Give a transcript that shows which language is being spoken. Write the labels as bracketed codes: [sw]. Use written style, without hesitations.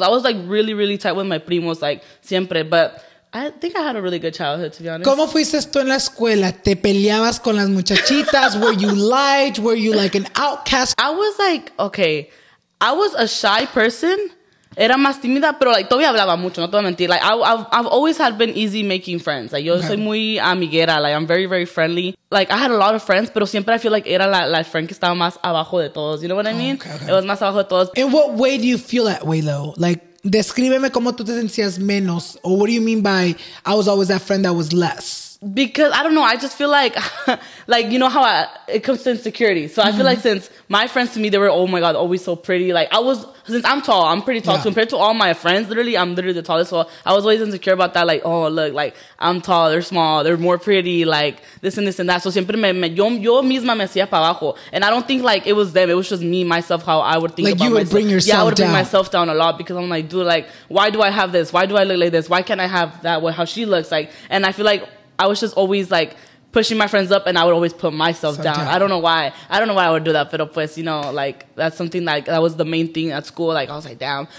[en] I was like really, really tight with my primos, like [es] siempre. [en] But I think I had a really good childhood, to be honest. [es] ¿Cómo fuiste tú en la escuela? ¿Te peleabas con las muchachitas? [en] Were you liked? Were you like an outcast? I was like, okay, I was a shy person. [es] Era más tímida, pero, like, todavía hablaba mucho, no te voy a mentir. [en] Like, I've always had been easy making friends. [es] Like, yo soy muy amiguera. [en] Like, I'm very, very friendly. [es] Like, [en] I had a lot of friends, [es] pero siempre [en] I feel like [es] era la friend que estaba más abajo de todos. [en] You know what I mean? Okay. It was [es] más abajo de todos. [en] In what way do you feel that way, though? [es] Like, descríbeme cómo tú te sentías menos. [en] Or what do you mean by, I was always that friend that was less? Because, I don't know, I just feel like, like, you know how it comes to insecurity. So, I feel like since my friends to me, they were, oh my God, always so pretty. Like, since I'm tall, I'm pretty tall. Yeah. Compared to all my friends, literally, I'm literally the tallest. So, I was always insecure about that. Like, oh, look, like, I'm tall, they're small, they're more pretty, like, this and that. [es] So, siempre yo misma me hacía para abajo. [en] And I don't think, like, it was them. It was just me, myself, how I would think like about myself. Like, you would myself. Bring yourself down. Yeah, I would down. Bring myself down a lot because I'm like, dude, like, why do I have this? Why do I look like this? Why can't I have that way, how she looks? Like, and I feel like... I was just always, like, pushing my friends up, and I would always put myself down. I don't know why. I don't know why I would do that, [es] pero pues, [en] you know, like, that's something, like, that was the main thing at school. Like, I was like, damn.